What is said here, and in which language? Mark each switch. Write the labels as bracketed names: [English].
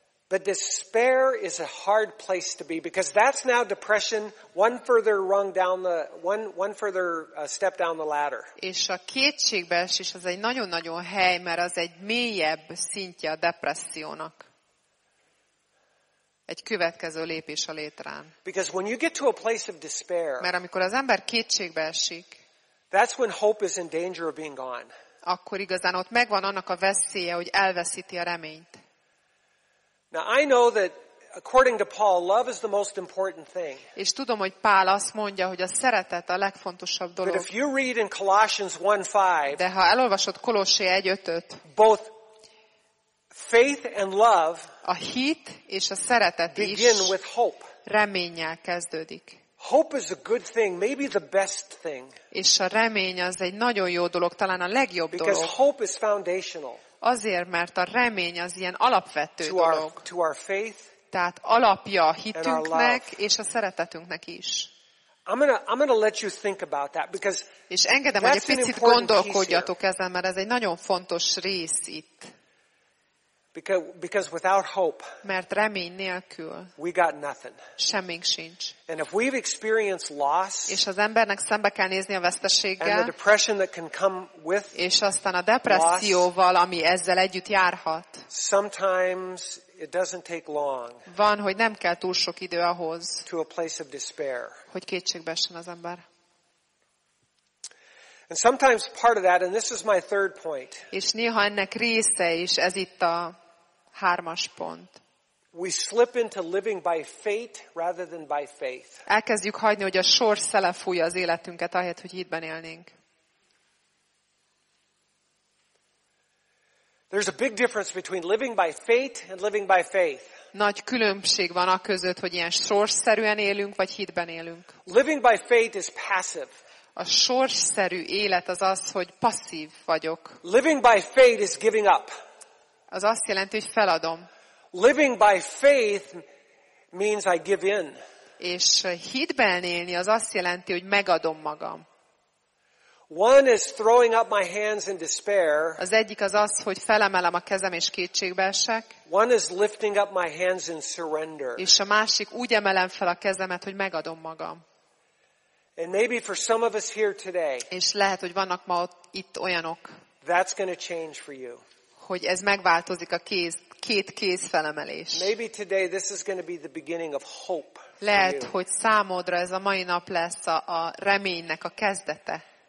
[English] But despair is a hard place to be because that's now depression, one further step down the ladder. [Hungarian] És a kétségbeesés az egy nagyon-nagyon hely, mert az egy mélyebb szintje a depressziónak. Egy következő lépés a létrán. [English] Because when you get to a place of despair, [Hungarian] mert amikor az ember kétségbeesik, [English] that's when hope is in danger of being gone. [Hungarian] Akkor igazán ott megvan annak a veszélye, hogy elveszíti a reményt. [English] Now I know that according to Paul, love is the most important thing. [Hungarian] És tudom, hogy Pál azt mondja, hogy a szeretet a legfontosabb dolog. [English] But if you read in Colossians 1:5, [Hungarian] de ha elolvasod Kolossé 1:5, [English] both faith and love, [Hungarian] a hit és a szeretet is [English] begin with hope. [Hungarian] Reménnyel kezdődik. [English] Hope is a good thing, maybe the best thing. [Hungarian] És a remény az egy nagyon jó dolog, talán a legjobb dolog. [English] Because hope is foundational. [Hungarian] Azért, mert a remény az ilyen alapvető [English] to [Hungarian] dolog. [English] To our faith. [Hungarian] Tehát alapja a hitünknek és a szeretetünknek is. [English] I'm gonna let you think about that because [Hungarian] és engedem, hogy egy picit gondolkodjatok ezen, mert ez egy nagyon fontos rész itt. [English] Because without hope, [Hungarian] mert remény nélkül, [English] we got nothing. [Hungarian] Semmink sincs. [English] And if we've experienced loss, [Hungarian] és az embernek szembe kell nézni a veszteséggel, [English] and the depression that can come with, [Hungarian] és aztán a depresszióval, [English] loss, [Hungarian] ami ezzel együtt járhat, [English] sometimes it doesn't take long. [Hungarian] Van, hogy nem kell túl sok idő ahhoz, [English] to a place of despair, [Hungarian] hogy kétségbe essen az ember. [English] And sometimes part of that, and this is my third point. [Hungarian] És néha ennek része is, ez itt a hármas pont. [English] We slip into living by fate rather than by faith. [Hungarian] Elkezdjük hagyni, hogy a sor szele fújja az életünket, ahelyett, hogy hitben élnénk. [English] There's a big difference between living by fate and living by faith. [Hungarian] Nagy különbség van a között, hogy ilyen sorsszerűen élünk, vagy hitben élünk. [English] Living by fate is passive. [Hungarian] A sorsszerű élet az az, hogy passzív vagyok. [English] Living by faith is giving up. [Hungarian] Az azt jelenti, hogy feladom. [English] Living by faith means I give in. [Hungarian] És hitben élni az azt jelenti, hogy megadom magam. [English] One is throwing up my hands in despair. [Hungarian] Az egyik az az, hogy felemelem a kezem és kétségbe esek. [English] One is lifting up my hands in surrender. [Hungarian] És a másik úgy emelem fel a kezemet, hogy megadom magam. [English] And maybe for some of us here today. [Hungarian] És lehet, hogy vannak ma itt olyanok. [English] That's going to change for you. [Hungarian] Hogy ez megváltozik a kéz, két kéz felemelés. [English] Maybe today this is going to be the beginning of hope. [Hungarian] Lehet, hogy számodra ez a mai nap lesz a reménynek a kezdete.